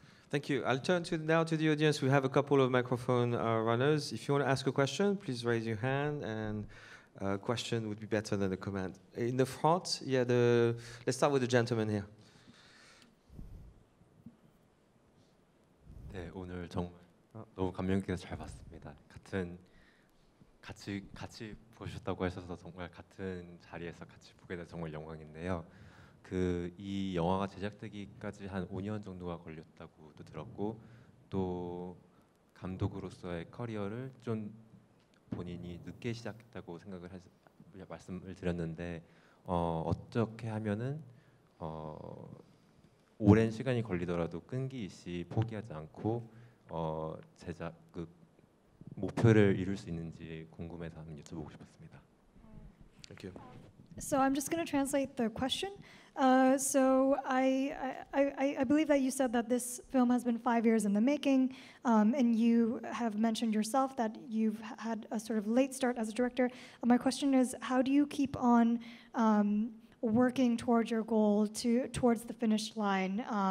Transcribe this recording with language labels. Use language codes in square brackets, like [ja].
[en] Thank you. I'll turn now to the audience. We have a couple of microphone runners. If you want to ask a question, please raise your hand, and a question would be better than a comment. In the front, yeah, let's start with the gentleman here. [ko] 네, 오늘 정말 너무 감명 깊게 잘 봤습니다. 같이 보셨다고 하셔서 정말 같은 자리에서 같이 보게 돼서 정말 영광인데요. 그 이 영화가 제작되기까지 한 5년 정도가 걸렸다고도 들었고 또 감독으로서의 커리어를 좀 본인이 늦게 시작했다고 생각을 말씀을 드렸는데 어떻게 하면은 오랜 시간이 걸리더라도 끈기 있이 포기하지 않고 제작 그 목표를 이룰 수 있는지 궁금해서 한번 여쭤보고 싶었습니다. [en] Thank you. So I'm just going to translate the question. So I believe that you said that this film has been 5 years in the making, and you have mentioned yourself that you've had a sort of late start as a director. My question is, how do you keep on working towards your goal, towards the finish line?